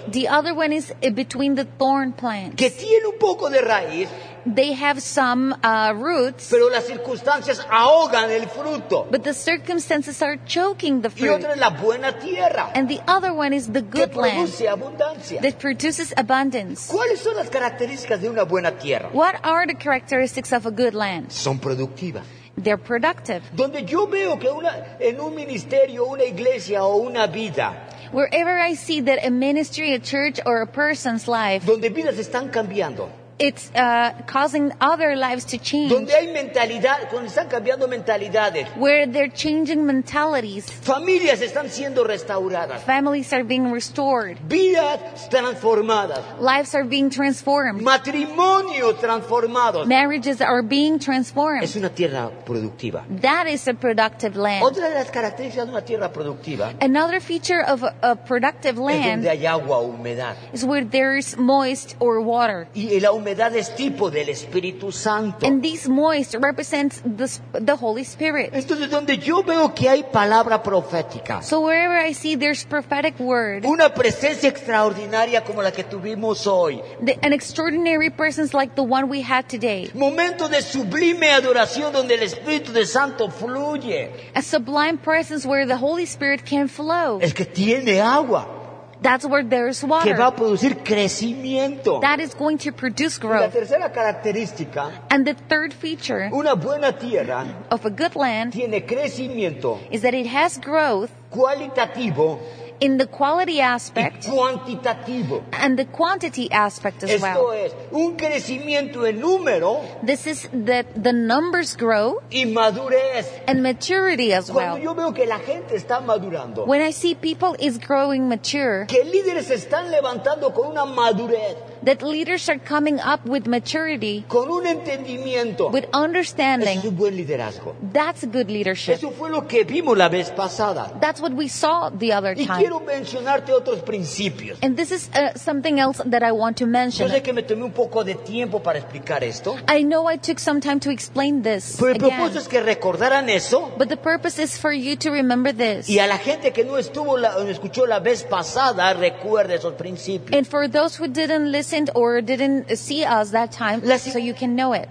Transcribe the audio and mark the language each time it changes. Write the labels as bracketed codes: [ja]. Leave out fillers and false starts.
[en] The other one is between the thorn plants. [es] Que tiene un poco de raíz. [en] They have some roots. [es] Pero las circunstancias ahogan el fruto. [en] But the circumstances are choking the fruit. [es] Y otra es la buena tierra. [en] And the other one is the good land. [es] Que produce abundancia. [en] That produces abundance. [es] ¿Cuáles son las características de una buena tierra? [en] What are the characteristics of a good land? [es] Son productivas. [en] They're productive. [es] Donde yo veo que una, en un ministerio, una iglesia o una vida. [en] Wherever I see that a ministry, a church, or a person's life. [es] Donde vidas están cambiando. [en] It's causing other lives to change. [es] Donde hay mentalidad, cuando están cambiando mentalidades. [en] Where they're changing mentalities. [es] Familias están siendo restauradas. [en] Families are being restored. [es] Vidas transformadas. [en] Lives are being transformed. [es] Matrimonios transformados. [en] Marriages are being transformed. [es] Es una tierra productiva. [en] That is a productive land. [es] Otra de las características de una tierra productiva. [en] Another feature of a productive land. [es] Es donde hay agua o humedad. [en] Is where there is moist or water. [es] Y el la humedad es tipo del Espíritu Santo. [en] And this moist represents the Holy Spirit. [es] Entonces, donde yo veo que hay palabra profética. [en] So wherever I see there's prophetic word. [es] Una presencia extraordinaria como la que tuvimos hoy. [en] An extraordinary presence like the one we had today. [es] Momento de sublime adoración donde el Espíritu de Santo fluye. [en] A sublime presence where the Holy Spirit can flow. [es] Es que tiene agua. [en] That's where there is water. [es] Que va a producir crecimiento. [en] That is going to produce growth. [es] La tercera característica. [en] And the third feature. [es] Una buena tierra. [en] Of a good land. [es] Tiene crecimiento. [en] Is that it has growth. [es] Cualitativo. [en] In the quality aspect. [es] Y cuantitativo. [en] And the quantity aspect as [es] esto Esto es un crecimiento en número. [en] This is that the numbers grow. [es] Y madurez. [en] And maturity as [es] cuando [en] well. [es] Yo veo que la gente está madurando. [en] When I see people is growing mature. [es] Que líderes están levantando con una madurez. [en] That leaders are coming up with maturity. [es] Con un entendimiento. [en] With understanding. [es] Es un buen liderazgo. [en] That's good leadership. [es] Eso fue lo que vimos la vez pasada. [en] That's what we saw the other time. [es] Quiero mencionarte otros principios. [en] And this is something else that I want to mention. [es] Yo sé que me tomé un poco de tiempo para explicar esto. [en] I know I took some time to explain this. [es] Pero el propósito es que recordaran eso. [en] But the purpose is for you to remember this. [es] Y a la gente que no estuvo o no escuchó la vez pasada, recuerde esos principios. [en] And for those who didn't listen wasn't or didn't see us that time, so you can know it.